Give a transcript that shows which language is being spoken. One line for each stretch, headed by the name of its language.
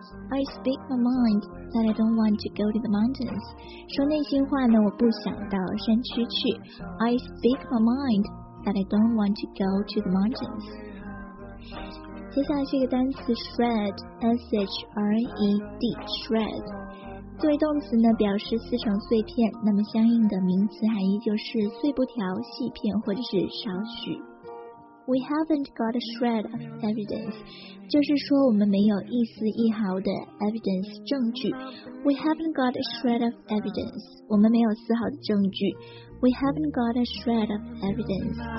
English: I speak my mind that I don't want to go to the mountains.
Chinese: 说内心话呢，我不想到山区去。
English: I speak my mind. That I don't want to go to the mountains.
Chinese: 接下来这个单词 shred, S-H-R-E-D, shred. 作为动词呢，表示撕成碎片，那么相应的名词含义就是碎布条、细片或者是少许。
English: We haven't got a shred of evidence.
Chinese: 就是说我们没有一丝一毫的 evidence, 证据。
English: We haven't got a shred of evidence.
Chinese: 我们没有丝毫的证据。
English: We haven't got a shred of evidence.